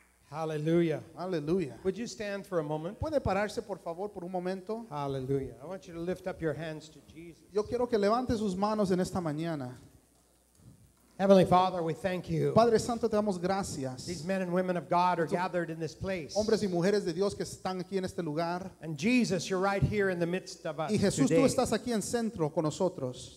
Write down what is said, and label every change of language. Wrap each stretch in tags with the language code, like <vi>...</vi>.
<en>Hallelujah. Hallelujah. Would you stand for a moment?</en> <es>¿Puede pararse, por favor, por un momento?</es> <en>Hallelujah. I want you to lift up your hands to Jesus.</en> <es>Yo quiero que levante sus manos en esta mañana.</es> <en>Heavenly Father, we thank you.</en> <es>Padre Santo, te damos gracias.</es> <en>These men and women of God are gathered in this place.</en> <es>Hombres y mujeres de Dios que están aquí en este lugar.</es> <en>And Jesus, you're right here in the midst of us today.</en> <es>Y Jesús, tú estás aquí en centro con nosotros.</es>